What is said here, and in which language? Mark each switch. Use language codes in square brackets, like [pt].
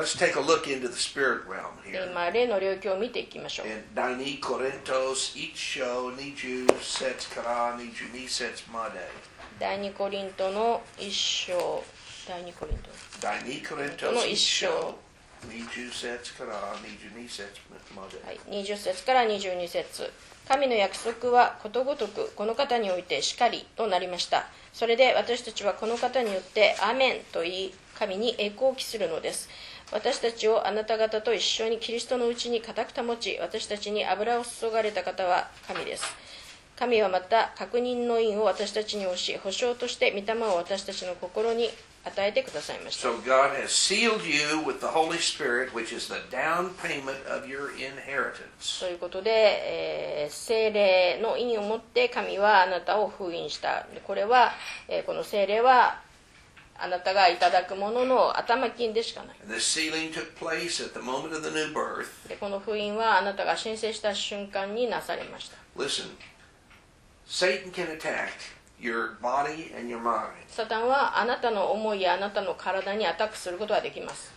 [en] Let's take a look into the spirit realm here. [ja] 今、霊の領域を見ていきましょう。 [en] In 2 Corinthians 1 show 20 sets から22 sets まで。 [ja] 第2コリントの1章、第2コリント。第2コリントの1章。20節から22節まで、はい、20節から22節。神の約束はことごとくこの方においてしかりとなりました。それで私たちはこの方によってアメンと言い、神に栄光を期するのです。私たちをあなた方と一緒にキリストのうちに固く保ち、私たちに油を注がれた方は神です。神はまた確認の印を私たちに押し、保証として御霊を私たちの心に与えてくださいました。 [en] So God has sealed you with the Holy Spirit, which is the down payment of your inheritance. [ja] そういうことで、聖霊の印を持って神はあなたを封印した。これは、この聖霊はあなたがいただくものの頭金でしかない。 [en] The sealing took place at the moment of the new birth. [ja] で、この封印はあなたが新生した瞬間になされました。 [en] Listen, Satan can attack. Your body and your mind. [ja] サタンはあなたの思いやあなたの体にアタックすることはできます。